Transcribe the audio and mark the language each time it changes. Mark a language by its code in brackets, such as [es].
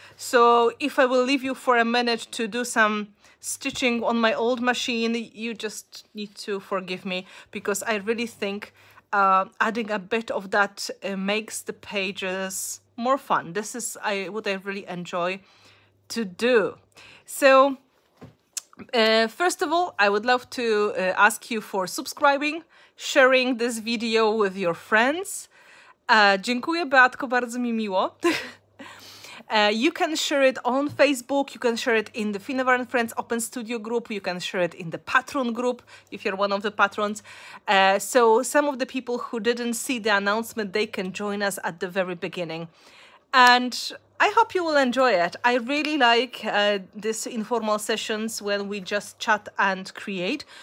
[en] So if I will leave you for a minute to do some stitching on my old machine, you just need to forgive me, because I really think adding a bit of that makes the pages more fun. This is what I really enjoy to do. So first of all, I would love to ask you for subscribing, sharing this video with your friends. [pl] Dziękuję Beatko, bardzo mi miło. [en] You can share it on Facebook, you can share it in the Finnabair and Friends Open Studio group, you can share it in the Patron group, if you're one of the patrons. So some of the people who didn't see the announcement, they can join us at the very beginning. And I hope you will enjoy it. I really like these informal sessions when we just chat and create.